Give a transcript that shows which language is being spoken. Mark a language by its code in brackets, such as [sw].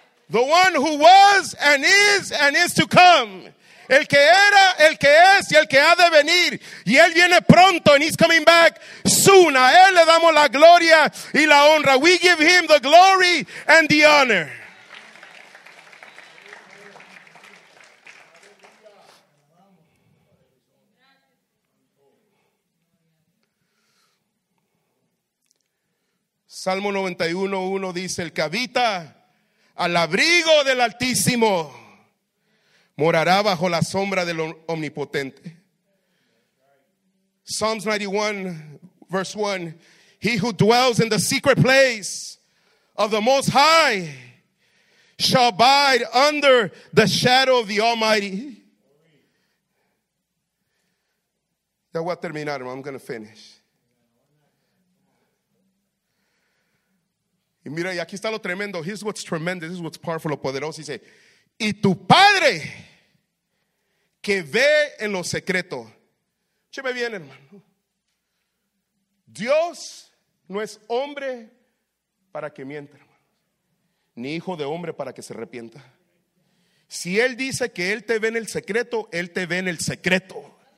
[en] The one who was and is to come. [es] El que era, el que es y el que ha de venir. Y Él viene pronto [en] and He's coming back soon. [es] A Él le damos la gloria y la honra. [en] We give Him the glory and the honor. [es] Salmo 91:1 dice, el que habita al abrigo del Altísimo morará bajo la sombra del Omnipotente. [en] Psalms 91, verse 1, he who dwells in the secret place of the Most High shall abide under the shadow of the Almighty. [es] Ya voy a terminar, [en] I'm going to finish. [es] Y mira, y aquí está lo tremendo. [en] Here's what's tremendous, this is what's powerful, [es] lo poderoso. Dice, y tu padre que ve en lo secreto. Écheme bien, hermano. Dios no es hombre para que mienta, hermano. Ni hijo de hombre para que se arrepienta. Si Él dice que Él te ve en el secreto, Él te ve en el secreto.